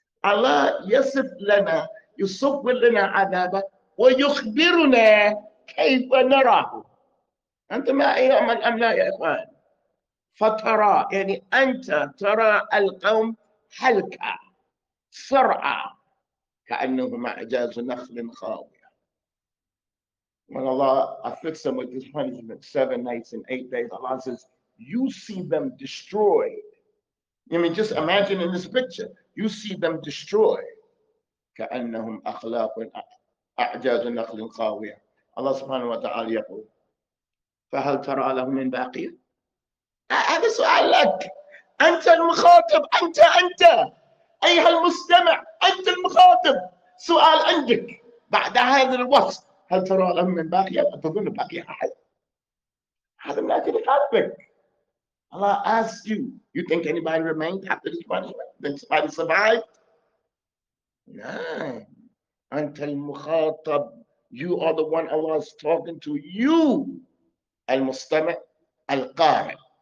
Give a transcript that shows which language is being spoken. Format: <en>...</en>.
<ar>الله يصف لنا، يصف لنا عذابه ويخبرنا كيف نراه. أنت ما أيام الأمن يا إخوان. فترى يعني أنت ترى القوم حلكى صرعى كأنهم أعجاز نخل خاوي.</ar> <en>When Allah afflicts them with this punishment, 7 nights and 8 days, Allah says, you see them destroyed. I mean, just imagine in this picture, you see them destroyed.</en> <ar>كَأَنَّهُمْ أَخْلَاقٌ أَعْجَازُ نَخْلٍ خَاوِيَةٍ.</ar> <en>Allah subhanahu wa ta'ala</en> <ar>يقول, فَهَلْ تَرَى لَهُمْ مِنْ بَاقِيَةٍ. هذا سؤال لك. أنت المخاطب. أنت. أيها المستمع. أنت المخاطب. سؤال عندك. بعد هذا الوصف. هل ترى لهم من باقية؟ تظن باقي أحد؟ هذا من أجل قلبك.</ar> <en>Allah asks you, you think anybody remained after this punishment? Did anybody survive? No.</en> <ar>أنت المخاطب.</ar> <en>You are the one Allah is talking to.</en> <ar>You, المستمع, القارئ.</ar>